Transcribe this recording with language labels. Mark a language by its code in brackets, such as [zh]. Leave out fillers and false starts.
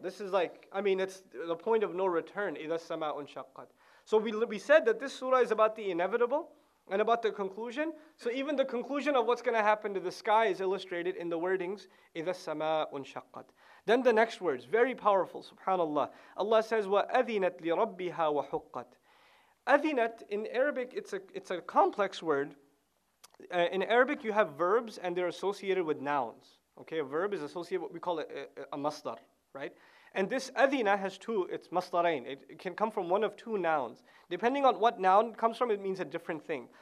[en] This is like, I mean, it's the point of no return. Idha sama'un shaqqat. So we said that this surah is about the inevitable and about the conclusion. So even the conclusion of what's going to happen to the sky is illustrated in the wordings, [ar] إِذَا السَّمَاءُ انشَقَّتْ. [en] Then the next words, very powerful, subhanAllah. Allah says, [ar] وَأَذِنَتْ لِرَبِّهَا وَحُقَّتْ. [en] أَذِنَتْ, in Arabic, it's a complex word. In Arabic, you have verbs and they're associated with nouns. Okay, a verb is associated with what we call a masdar, right? And this adhina has two, it's masdarain. It can come from one of two nouns. Depending on what noun it comes from, it means a different thing.